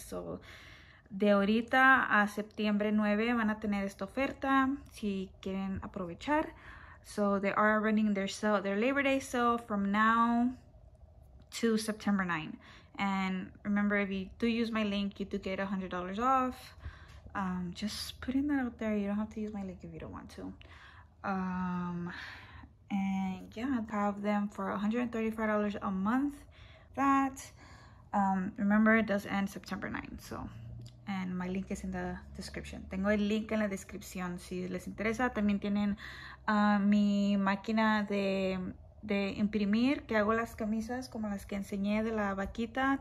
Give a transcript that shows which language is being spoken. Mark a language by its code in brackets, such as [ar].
[es] So de ahorita a septiembre 9 van a tener esta oferta si quieren aprovechar. [en] So they are running their sale, their Labor Day sale, from now to September 9. And remember, if you do use my link, you do get $100 off. Just putting that out there. You don't have to use my link if you don't want to. And yeah, I have them for $135 a month. That, remember, it does end September 9th. So, and my link is in the description. [es] Tengo el link en la descripción si les interesa. También tienen mi máquina de imprimir, que hago las camisas como las que enseñé de la vaquita.